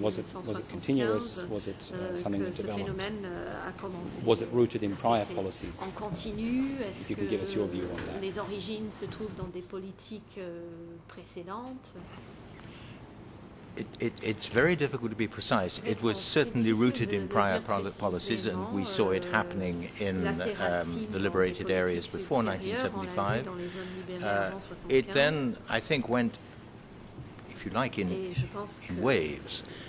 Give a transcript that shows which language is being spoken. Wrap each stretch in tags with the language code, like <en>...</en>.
<en>Was it continuous? Was it something that developed? Was it rooted in prior policies? If you can give us your view on that.</en> <fr>Les origines se trouvent dans des politiques précédentes.</fr> <en>It's very difficult to be precise. It was certainly rooted in prior policies, and we saw it happening in the liberated areas before 1975. It then, I think, went, if you like, in waves.</en>